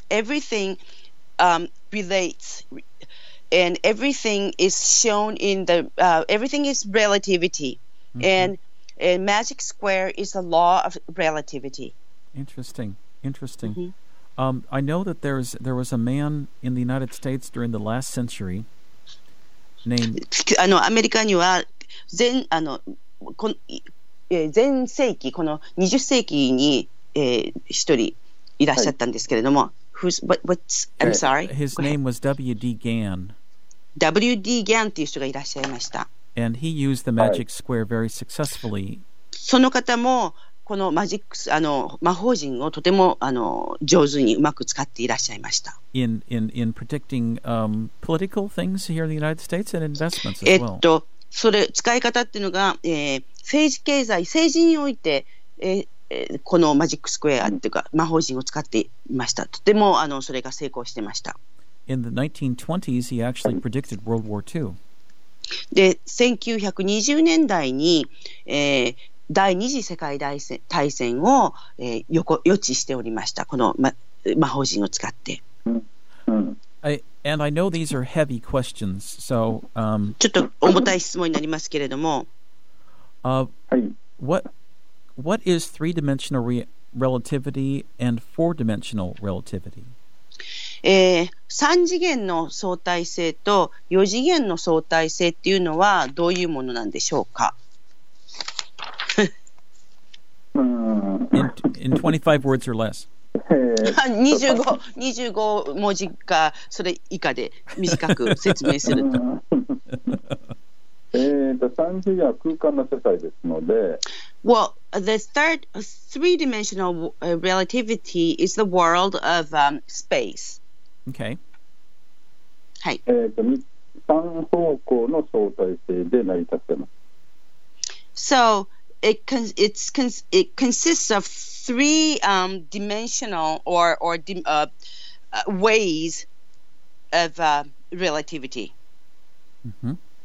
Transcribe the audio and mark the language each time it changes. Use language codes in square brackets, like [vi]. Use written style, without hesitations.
[en] Everything relates, and everything is shown in the everything is relativity, mm-hmm. and. And magic square is the law of relativity. Interesting. Interesting. Mm-hmm. I know that there was a man in the United States during the last century named... [ja] アメリカには前世紀、この20世紀に一人いらっしゃったんですけれども、 [en] I'm sorry? His name was W.D. Gann. [ja] W.D. Gann という人がいらっしゃいました。 [en] And he used the magic square very successfully. [ja] その方もこのマジックス、魔法陣をとても上手にうまく使っていらっしゃいました。 [en] In predicting political things here in the United States and investments as well. [ja] それ使い方っていうのが、政治経済、政治において、このマジックスクエアっていうか魔法陣を使っていました。とてもそれが成功してました。 [en] In the 1920s, he actually predicted World War II. [ja] で1920年代に、第二次世界大戦を、予知しておりましたこの、魔法陣を使って、 [en] And I know these are heavy questions, so, [ja] ちょっと重たい質問になりますけれども、 [en] What is three-dimensional relativity and four-dimensional relativity? [ja] 3次元の相対性と4次元の相対性っていうのはどういうものなんでしょうか。 [en] In 25 words or less. [ja] 25文字かそれ以下で短く説明すると。 3次元は空間の世界ですので。 [en] Well, the third three-dimensional relativity is the world of space. Okay. [ja] はい。三方向の相対性で成り立っています。 [en] So it consists of three dimensional or ways of relativity. Mm-hmm.